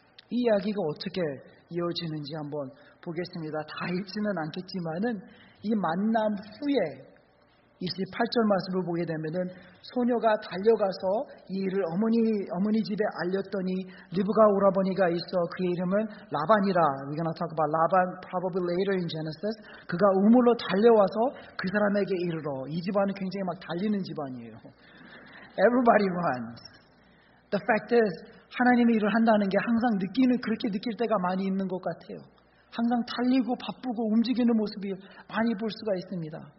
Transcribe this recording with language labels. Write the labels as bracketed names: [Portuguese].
[Korean] 이 이야기가 어떻게 이어지는지 한번 보겠습니다. 다 읽지는 않겠지만은 이 만남 후에 28절 말씀을 보게 되면은 소녀가 달려가서 이 일을 어머니 집에 알렸더니 리브가 오라버니가 있어 그의 이름은 라반이라. [English] We're gonna talk about 라반 probably later in Genesis. [Korean] 그가 우물로 달려와서 그 사람에게 이르러. 이 집안은 굉장히 막 달리는 집안이에요. [English] Everybody runs. The fact is [Korean] 하나님이 일을 한다는 게 항상 그렇게 느낄 때가 많이 있는 것 같아요. 항상 달리고 바쁘고 움직이는 모습이 많이 볼 수가 있습니다.